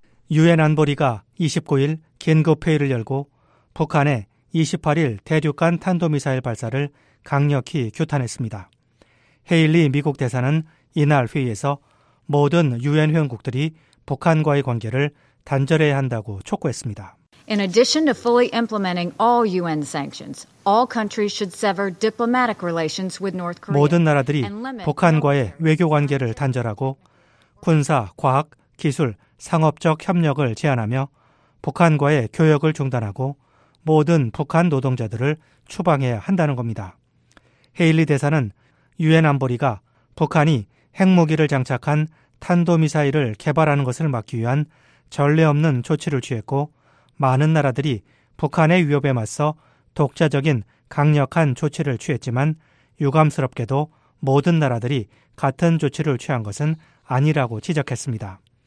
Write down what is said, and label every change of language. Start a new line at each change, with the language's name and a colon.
Korean: 유엔 안보리가 29일 긴급회의를 열고 북한의 28일 대륙간 탄도미사일 발사를 강력히 규탄했습니다. 헤일리 미국 대사는 이날 회의에서 모든 유엔 회원국들이 북한과의 관계를 단절해야 한다고 촉구했습니다.
English: In addition to fully implementing all UN sanctions, all countries should sever diplomatic relations with North Korea.
Korean: 모든 나라들이 북한과의 외교 관계를 단절하고 군사, 과학, 기술, 상업적 협력을 제한하며 북한과의 교역을 중단하고 모든 북한 노동자들을 추방해야 한다는 겁니다. 헤일리 대사는 유엔 안보리가 북한이 핵무기를 장착한 탄도미사일을 개발하는 것을 막기 위한 전례 없는 조치를 취했고 많은 나라들이 북한의 위협에 맞서 독자적인 강력한 조치를 취했지만 유감스럽게도 모든 나라들이 같은 조치를 취한 것은 아니라고 지적했습니다.